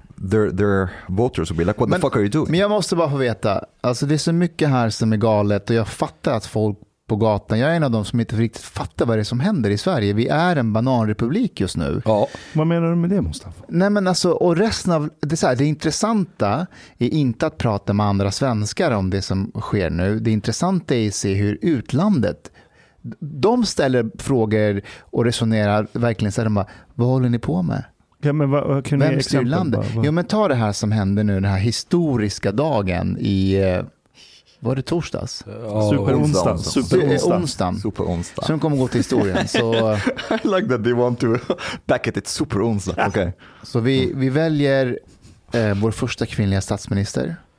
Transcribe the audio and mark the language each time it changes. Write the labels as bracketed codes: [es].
[en] Their voters will be like, what the fuck are you doing? [sv] Men jag måste bara få veta, alltså det är så mycket här som är galet och jag fattar att folk på gatan. Jag är en av dem som inte riktigt fattar vad det är som händer i Sverige. Vi är en bananrepublik just nu. Ja. Vad menar du med det, Mustafa? Nej, men alltså, och resten av det, så här, det intressanta är inte att prata med andra svenskar om det som sker nu. Det intressanta är att se hur utlandet, de ställer frågor och resonerar verkligen så här, de bara, vad håller ni på med? Ja, men vem styr landet? Jo, men ta det här som händer nu, den här historiska dagen i Var det torsdags? Superonsdag. Superonsdag. Superonsdag. Så den kommer gå till historien. Så... [en] I like that they want to back at it superonsdag. Okay. [sv] Så vi väljer vår första kvinnliga statsminister.